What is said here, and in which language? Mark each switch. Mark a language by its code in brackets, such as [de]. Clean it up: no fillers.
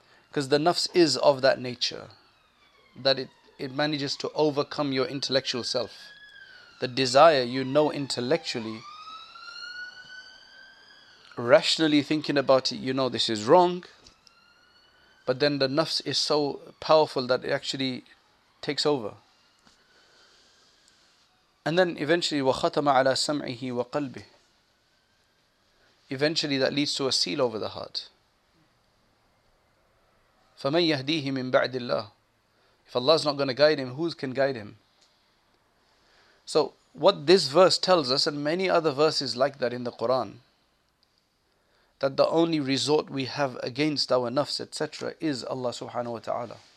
[en] Because the nafs is of that nature. That it manages to overcome your intellectual self. The desire, you know intellectually. Rationally thinking about it, you know this is wrong. But then the nafs is so powerful that it actually takes over. And then eventually, [ar] وَخَتَمَ عَلَىٰ سَمْعِهِ وَقَلْبِهِ. [en] Eventually that leads to a seal over the heart. [ar] فَمَنْ يَهْدِيهِ مِنْ بَعْدِ اللَّهِ. [en] If Allah is not going to guide him, who can guide him? So what this verse tells us, and many other verses like that in the Quran, that the only resort we have against our nafs, etc., is Allah subhanahu wa ta'ala.